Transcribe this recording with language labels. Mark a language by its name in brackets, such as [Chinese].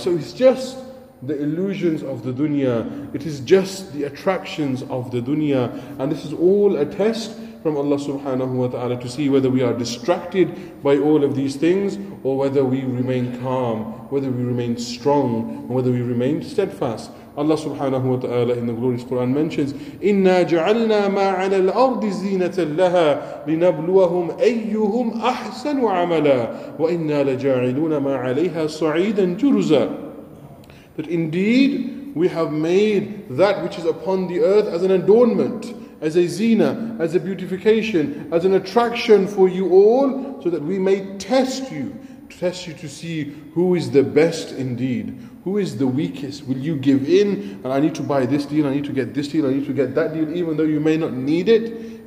[English] So it's just the illusions of the dunya, it is just the attractions of the dunya, and this is all a test from Allah subhanahu wa ta'ala to see whether we are distracted by all of these things or whether we remain calm, whether we remain strong, and whether we remain steadfast. [Arabic] Allah subhanahu wa ta'ala in the glorious Quran mentions, إِنَّا جَعَلْنَا مَا عَلَى الْأَرْضِ زِينَةً لَهَا لِنَبْلُوَهُمْ أَيُّهُمْ أَحْسَنُ عَمَلًا وَإِنَّا لَجَاعِلُونَ مَا عَلَيْهَا صَعِيدًا جُرُزًا. [English] That indeed we have made that which is upon the earth as an adornment, as a zina, as a beautification, as an attraction for you all, so that we may test you to see who is the best indeed. Who is the weakest? Will you give in? And I need to buy this deal, I need to get this deal, I need to get that deal, even though you may not need it.